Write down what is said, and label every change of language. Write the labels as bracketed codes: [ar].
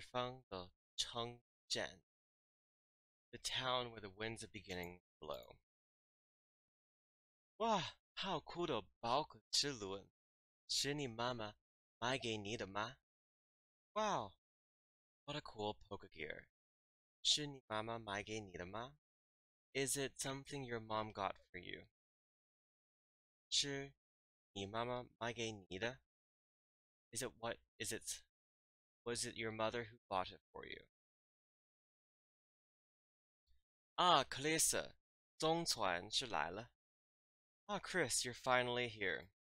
[zh] 吹起开始之风的城镇, [en] the town where the winds of beginning blow. [zh] 哇,好酷的宝可之轮,是你妈妈买给你的吗? [en] Wow, what a cool Pokégear. [zh] 是你妈妈买给你的吗? [en] Is it something your mom got for you? [zh] 是你妈妈买给你的? [en] Is it what is it? Was it your mother who bought it for you? [zh] Ah, Clarissa, 总算是来了。 [en] Ah, Chris, you're finally here.